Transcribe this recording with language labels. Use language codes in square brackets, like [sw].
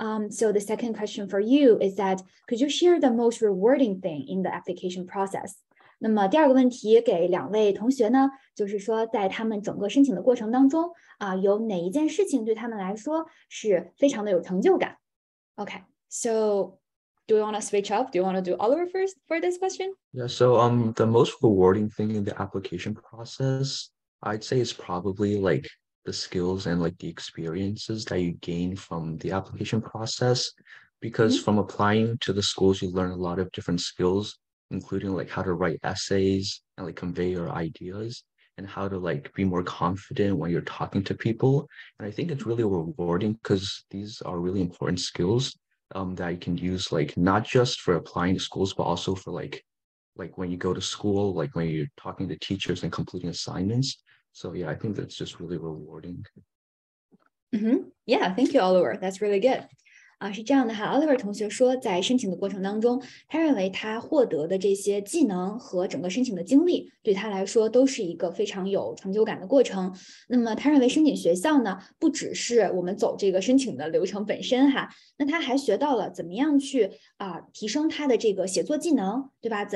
[en] So the second question for you is that, could you share the most rewarding thing in the application process? [zh] 那么第二个问题给两位同学呢，就是说在他们整个申请的过程当中啊，有哪一件事情对他们来说是非常的有成就感？ [en] Okay, so do you want to switch up? Do you want to do Oliver first for this question? Yeah, so the most rewarding thing in the application process, I'd say is probably like,the skills and like the experiences that you gain from the application process, because from applying to the schools, you learn a lot of different skills, including like how to write essays and like convey your ideas and how to like be more confident when you're talking to people. And I think it's really rewarding because these are really important skills that you can use, like not just for applying to schools, but also for like when you go to school, like when you're talking to teachers and completing assignments. So yeah, I think that's just really rewarding. Mm-hmm. Yeah, thank you, Oliver. That's really good. [zh] 是这样的哈 ，Oliver 同学说，在申请的过程当中，他认为他获得的这些技能和整个申请的经历，对他来说都是一个非常有成就感的过程。那么他认为申请学校呢，不只是我们走这个申请的流程本身哈，那他还学到了怎么样去提升他的这个写作技能，对吧？